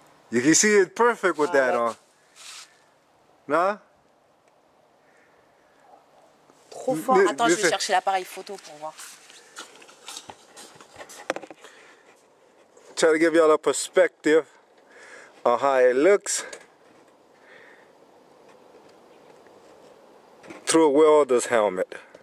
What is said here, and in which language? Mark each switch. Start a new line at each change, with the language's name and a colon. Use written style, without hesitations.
English: You can see it perfect with that on.
French: Non? Trop fort. Attends, je vais chercher l'appareil photo pour voir.
English: Try to give y'all a perspective on how it looks. Through a welder's helmet.